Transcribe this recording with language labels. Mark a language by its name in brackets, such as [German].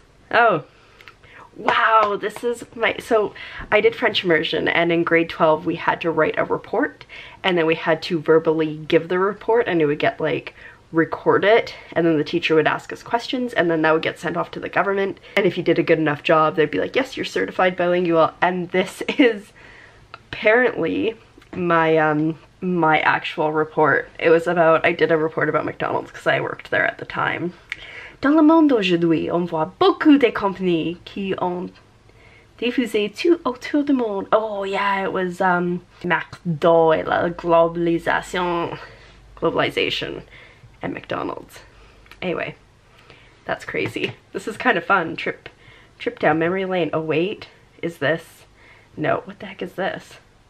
[English] Oh, wow, this is my, so I did French immersion, and in grade 12 we had to write a report, and then we had to verbally give the report, and it would get like record it, and then the teacher would ask us questions, and then that would get sent off to the government, and if you did a good enough job, they'd be like, yes, you're certified bilingual. And this is apparently my actual report. It was about, I did a report about McDonald's because I worked there at the time. [French] Dans le monde aujourd'hui, on voit beaucoup de compagnies qui ont diffusé tout autour du monde. [English] Oh yeah, it was McDo et la globalisation and McDonald's. Anyway, that's crazy. This is kind of fun. Trip down memory lane. Oh wait, is this? No, what the heck is this?